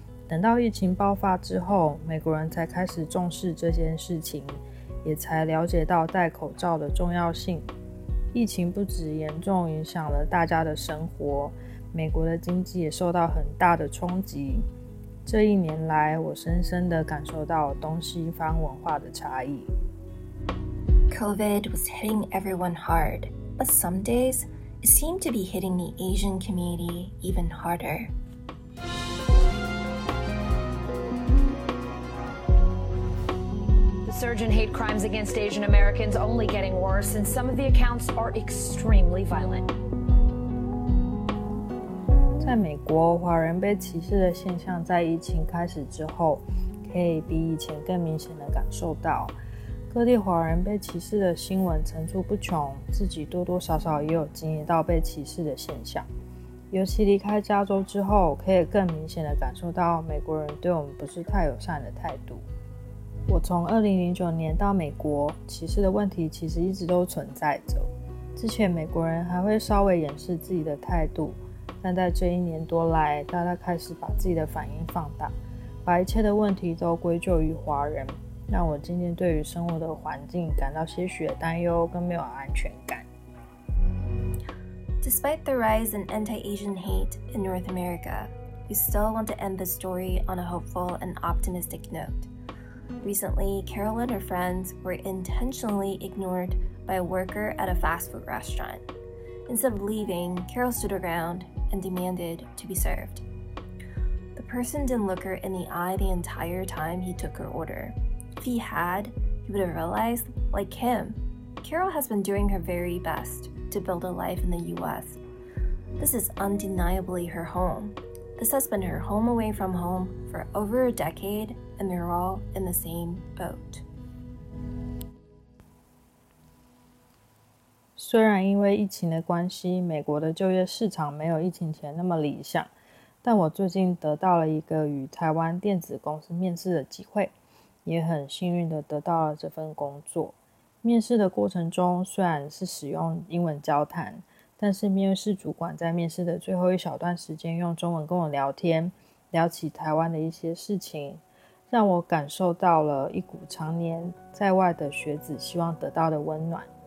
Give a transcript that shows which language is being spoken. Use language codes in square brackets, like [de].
[zh] 等到疫情爆发之后，美国人才开始重视这件事情，也才了解到戴口罩的重要性。疫情不止严重影响了大家的生活，美国的经济也受到很大的冲击。这一年来，我深深地感受到东西方文化的差异。 [en] COVID was hitting everyone hard, but some days,It seemed to be hitting the Asian community even harder. The surge in hate crimes against Asian Americans only getting worse, and some of the accounts are extremely violent. [zh] 在美国，华人被歧视的现象在疫情开始之后，可以比以前更明显的感受到。各地华人被歧视的新闻层出不穷，自己多多少少也有经历到被歧视的现象。尤其离开加州之后，可以更明显的感受到美国人对我们不是太友善的态度。我从2009年到美国，歧视的问题其实一直都存在着。之前美国人还会稍微掩饰自己的态度，但在这一年多来，大家开始把自己的反应放大，把一切的问题都归咎于华人。让我今天对于生活的环境感到些许的担忧跟没有安全感。 [en] Despite the rise in anti-Asian hate in North America, we still want to end the story on a hopeful and optimistic note. Recently, Carol and her friends were intentionally ignored by a worker at a fast food restaurant. Instead of leaving, Carol stood her ground and demanded to be served. The person didn't look her in the eye the entire time he took her order. If he had, he would have realized, like him, Carol has been doing her very best to build a life in the U.S. This is undeniably her home. This has been her home away from home for over a decade, and they're all in the same boat. [zh] 虽然因为疫情的关系，美国的就业市场没有疫情前那么理想，但我最近得到了一个与台湾电子公司面试的机会。也很幸运的得到了这份工作。面试的过程中虽然是使用英文交谈，但是面试主管在面试的最后一小段时间用中文跟我聊天，聊起台湾的一些事情，让我感受到了一股常年在外的学子希望得到的温暖。